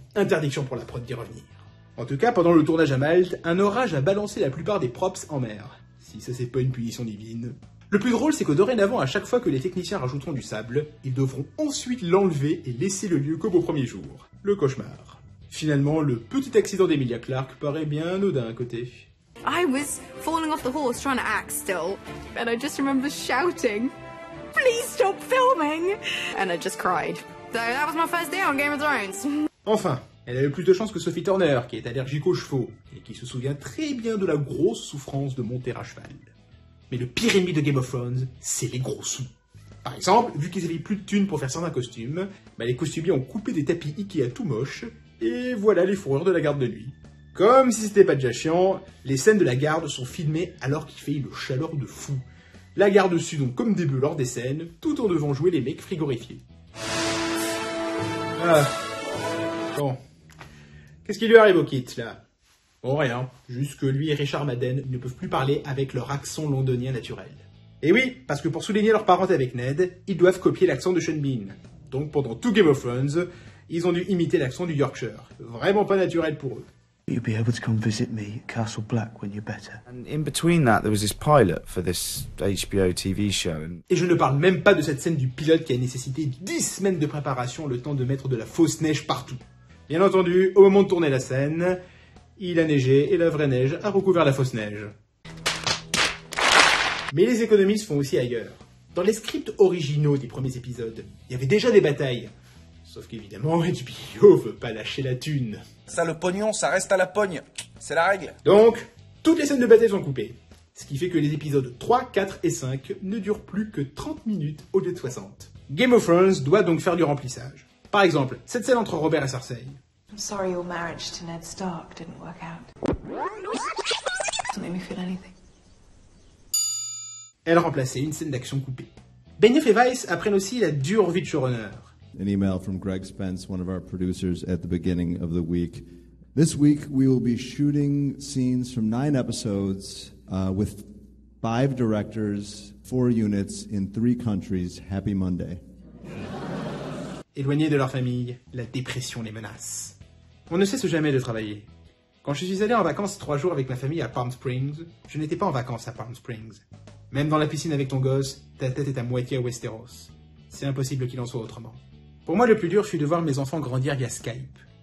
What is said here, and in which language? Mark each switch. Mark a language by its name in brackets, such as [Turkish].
[French] Interdiction pour la prod d'y revenir. En tout cas, pendant le tournage à Malte, un orage a balancé la plupart des props en mer. Si ça c'est pas une punition divine. Le plus drôle, c'est que dorénavant, à chaque fois que les techniciens rajouteront du sable, ils devront ensuite l'enlever et laisser le lieu comme au premier jour. Le cauchemar. Finalement, le petit accident d'Emilia Clarke paraît bien anodin à côté. I was falling off the horse trying to act still, and I just remember shouting, "Please stop filming!" And I just cried. So that was my first day on Game of Thrones. Enfin, elle a eu plus de chance que Sophie Turner, qui est allergique aux chevaux, et qui se souvient très bien de la grosse souffrance de monter à cheval. Mais le pire ennemi de Game of Thrones, c'est les gros sous. Par exemple, vu qu'ils avaient plus de thunes pour faire certains costumes, bah les costumiers ont coupé des tapis Ikea tout moches, et voilà les fourrures de la garde de nuit. Comme si c'était pas déjà chiant, les scènes de la garde sont filmées alors qu'il fait une chaleur de fou. La garde suit donc comme des bœufs lors des scènes, tout en devant jouer les mecs frigorifiés. Ah. Bon. Qu'est-ce qui lui arrive au kit, là? Bon, rien. Juste que lui et Richard Madden ne peuvent plus parler avec leur accent londonien naturel. Et oui, parce que pour souligner leur parenté avec Ned, ils doivent copier l'accent de Sean Bean. Donc pendant tout Game of Thrones, ils ont dû imiter l'accent du Yorkshire. Vraiment pas naturel pour eux. [English] You'll be able to come visit me at Castle Black when you're better. And in between that, there was this pilot for this HBO TV show. [French] Et je ne parle même pas de cette scène du pilote qui a nécessité 10 semaines de préparation le temps de mettre de la fausse neige partout. Bien entendu, au moment de tourner la scène, il a neigé et la vraie neige a recouvert la fausse neige. Mais les économies se font aussi ailleurs. Dans les scripts originaux des premiers épisodes, il y avait déjà des batailles. Sauf qu'évidemment, HBO veut pas lâcher la thune. Ça, le pognon, ça reste à la pogne. C'est la règle. Donc, toutes les scènes de bataille sont coupées. Ce qui fait que les épisodes 3, 4 et 5 ne durent plus que 30 minutes au lieu de 60. Game of Thrones doit donc faire du remplissage. Par exemple, cette scène entre Robert et Cersei. [English] I'm sorry your marriage to Ned Stark didn't work out. Doesn't make me feel anything. [French] Elle remplaçait une scène d'action coupée. Benioff et Weiss apprennent aussi la dure vie de showrunner. [English] An email from Greg Spence, one of our producers, at the beginning of the week. This week, we will be shooting scenes from 9 episodes with 5 directors, 4 units in 3 countries. Happy Monday. [French] Éloignés de leur famille, la dépression les menace. On ne cesse jamais de travailler. Quand je suis allé en vacances 3 jours avec ma famille à Palm Springs, je n'étais pas en vacances à Palm Springs. Même dans la piscine avec ton gosse, ta tête est à moitié à Westeros. C'est impossible qu'il en soit autrement. Pour moi, le plus dur fut de voir mes enfants grandir via Skype.